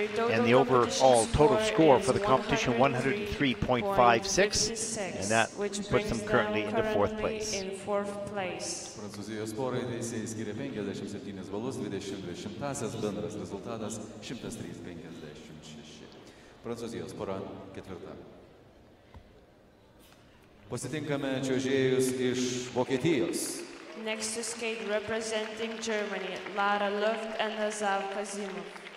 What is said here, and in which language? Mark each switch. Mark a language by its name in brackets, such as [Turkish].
[English] And the overall total score for the competition, 103.56. And that puts them currently into fourth place. [Lithuanian] Prancūzijos porai teisėjai skiria 57 balus, 22 bendras rezultatas, 103.56. Prancūzijos pora ketvirta. Pasitinkame čiuožėjus iš Vokietijos. [English] Next to skate representing Germany, Lara Luft and Azav Kazimov.